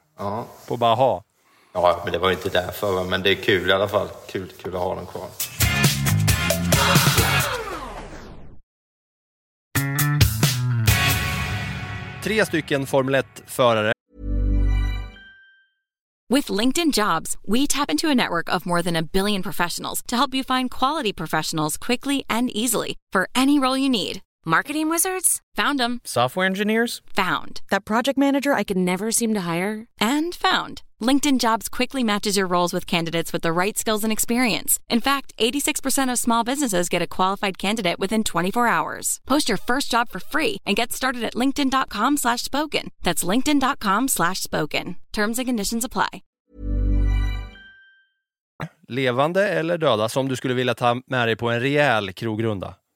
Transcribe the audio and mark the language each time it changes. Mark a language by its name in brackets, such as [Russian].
[Swedish] Ja. På bara ha. Ja, men det var inte därför, men det är kul i alla fall. Kul att ha den kvar. Tre stycken Formel 1-förare. [English] With LinkedIn Jobs, we tap into a network of more than a billion professionals to help you find quality professionals quickly and easily for any role you need. Marketing wizards? Found them. Software engineers? Found. That project manager I could never seem to hire? And found. LinkedIn Jobs quickly matches your roles with candidates with the right skills and experience. In fact, 86% of small businesses get a qualified candidate within 24 hours. Post your first job for free and get started at linkedin.com/spoken. That's linkedin.com/spoken. Terms and conditions apply. [Swedish] Levande eller döda, som du skulle vilja ta med dig på en rejäl krogrunda?